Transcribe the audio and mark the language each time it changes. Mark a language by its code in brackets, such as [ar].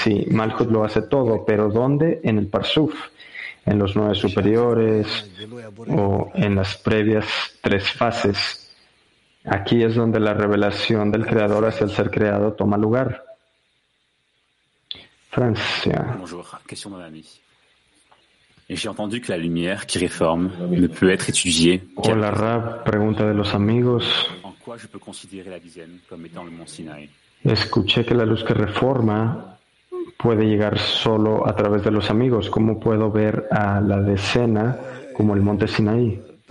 [es] Malchut lo hace todo, pero ¿dónde? En el Parsuf, en los nueve superiores o en las previas tres fases. Aquí es donde la revelación del creador hacia el ser creado toma lugar. Francia. [fr] Bonjour, question de l'ami. Et j'ai entendu que la lumière qui réforme ne peut être étudiée. [es] Hola, Rab, pregunta de los amigos. [fr] En quoi je peux considérer la dizaine comme étant le Mont Sinaï? [es] Escuché que la luz que reforma puede llegar solo a través de los amigos. ¿Cómo puedo ver a la decena como el Monte Sinaí?